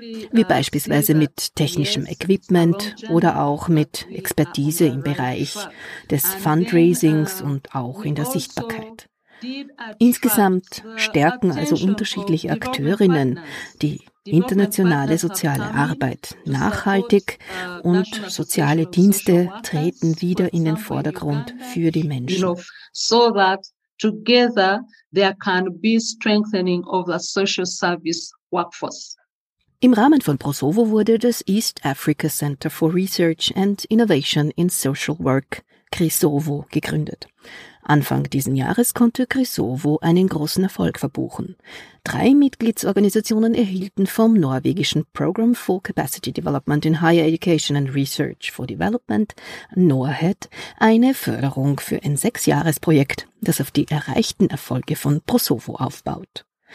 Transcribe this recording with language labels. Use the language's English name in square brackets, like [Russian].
[German] Wie beispielsweise mit technischem Equipment oder auch mit Expertise im Bereich des Fundraisings und auch in der Sichtbarkeit. Insgesamt stärken also unterschiedliche Akteurinnen die internationale soziale Arbeit nachhaltig und soziale Dienste treten wieder in den Vordergrund für die Menschen. [English] So that together there can be strengthening of the social service workforce. [German] Im Rahmen von Prosovo wurde das East Africa Center for Research and Innovation in Social Work, CRISOVO, gegründet. Anfang diesen Jahres konnte CRISOVO einen großen Erfolg verbuchen. Drei Mitgliedsorganisationen erhielten vom norwegischen Program for Capacity Development in Higher Education and Research for Development, NORHED, eine Förderung für ein 6-Jahres-Projekt, das auf die erreichten Erfolge von Prosovo aufbaut.